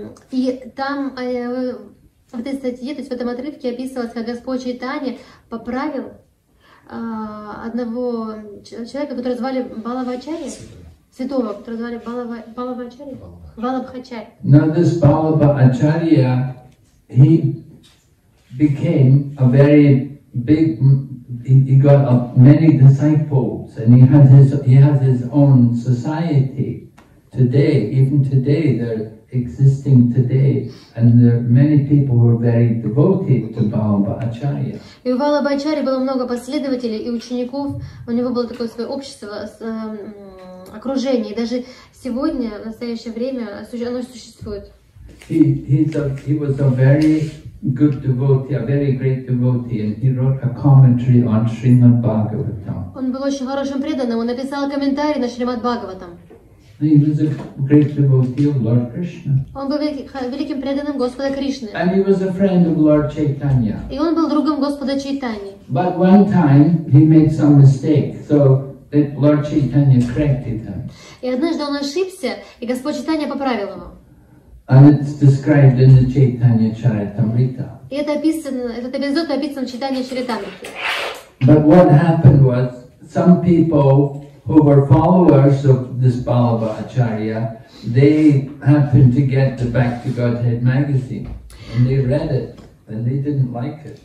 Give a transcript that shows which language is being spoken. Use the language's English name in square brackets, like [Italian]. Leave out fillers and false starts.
[Russian] И там в этой статье, то есть в этом отрывке описывалось, как Господь Чайтанья поправил одного человека, которого звали Балабха Ачарья, святого, которого звали Балабха Ачарья, Балабха Ачарья. [English] Now this Балабха Ачарья, he became a very big, he got many disciples, and he has his own society today, even today they're existing today, and there are many people who are very devoted to Balabha Acharya. [Russian] И у Балабха Ачарьи было много последователей и учеников, у него было такое свое общество, окружение, и даже сегодня, в настоящее время, оно существует. [English] He was a very good devotee, a very great devotee, and he wrote a commentary on Srimad Bhagavatam. [Russian] Он был очень хорошим преданным, он написал комментарий на Шримад Бхагаватам. [English] He was a great devotee of Lord Krishna. [Russian] Он был великим преданным Господа Кришны. [English] And he was a friend of Lord Chaitanya. [Russian] И он был другом Господа Чайтаньи. [English] But one time he made some mistake, so Lord Chaitanya corrected him. [Russian] И однажды он ошибся, и Господь Чайтанья поправил его. [English] And it's described in the Chaitanya Charitamrita. [Russian] И это описано, этот эпизод описан в Чайтанья Чаритамрите. [English] But what happened was some people who were followers of this Balabha Acharya, they happened to get the Back to Godhead magazine, and they read it, and they didn't like it.